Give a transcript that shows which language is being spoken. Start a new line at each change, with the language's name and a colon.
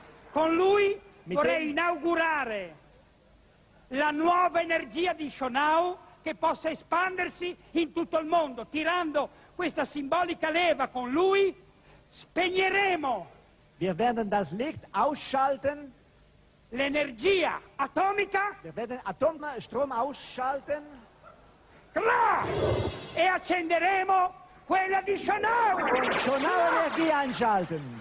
Italian: Con lui vorrei inaugurare la nuova energia di Schönau che possa espandersi in tutto il mondo, tirando questa simbolica leva con lui spegneremo.
German: Wir werden das Licht ausschalten.
Italian: L'energia atomica.
German: Wir werden Atomstrom ausschalten. Klar!
Italian: E accenderemo quella di Schönau.
German: Schönau Energie einschalten.